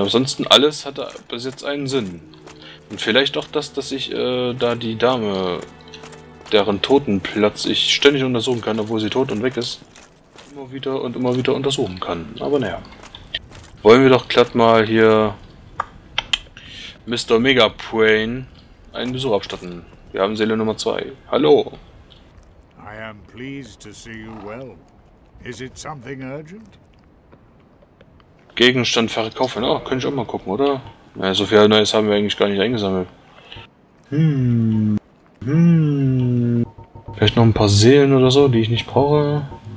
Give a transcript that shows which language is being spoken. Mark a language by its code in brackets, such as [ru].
[de] Ansonsten alles hat da bis jetzt einen Sinn. Und vielleicht auch das, dass ich da die Dame, deren Totenplatz ich ständig untersuchen kann, obwohl sie tot und weg ist, immer wieder und immer wieder untersuchen kann. Aber naja. Wollen wir doch glatt mal hier Mr. Megaprain einen Besuch abstatten. Wir haben Seele Nummer 2. Hallo. [en] I am pleased to see you well. Is it something urgent? [de] Gegenstand verkaufen. Oh, könnte ich auch mal gucken, oder? Na, so viel Neues haben wir eigentlich gar nicht eingesammelt. Vielleicht noch ein paar Seelen oder so, die ich nicht brauche.